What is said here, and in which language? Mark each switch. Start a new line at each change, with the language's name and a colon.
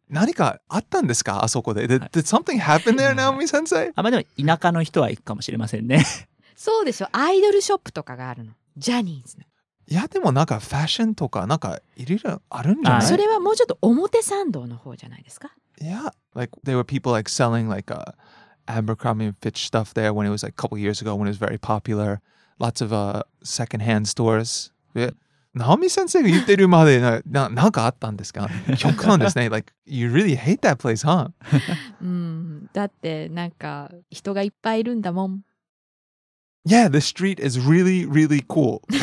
Japanese: 何かあったんですかあそこで。
English: Did something happen there, Naomi sensei?
Japanese: あまでも田舎の人は行くかもしれませんね。そうでしょ、アイドルショップとかがあるの、ジャニーズの。いやでもなんかファッションとかなんかいろいろあるんじゃない？それはもうちょっと表参道の方じゃないですか。
English: いや、like there were people like selling like Abercrombie and Fitch stuff there when it was like a couple years ago when it was very popular. Lots of secondhand stores.
Japanese: ナオミ先生が言ってるまでなんかあったんですか？極端ですね。
English: Like you really hate that place, huh?
Japanese: だってなんか人がいっぱいいるんだもん。
English: Yeah, the street is really, really cool.